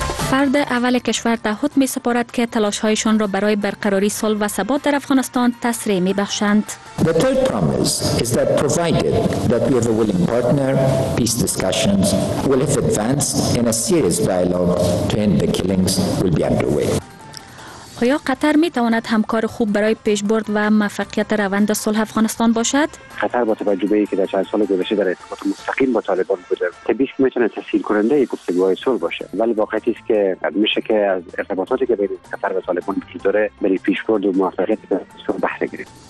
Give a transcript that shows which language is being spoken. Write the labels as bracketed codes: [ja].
[fa] فرد اول کشور تعهد می سپارد که تلاش هایشان را برای برقراری صلح و ثبات در افغانستان تسریع می بخشند. [en] The third promise is that provided that we have a willing partner, peace discussions will have advanced in a serious dialogue to end the killings will be underway. [fa] آیا قطر می تواند همکار خوب برای پیشبرد و موفقیت روند صلح افغانستان باشد؟ قطر با تجربه‌ای که در چند سال گذشته در ارتباط مستقیم با طالبان بوده، طبیعی میتونه تسهیل کننده گفتگوهای صلح باشه. ولی واقعیت است که میشه که از ارتباطاتی که بین قطر و طالبان وجود داره برای پیشبرد و موفقیت صلح بهره گیریم.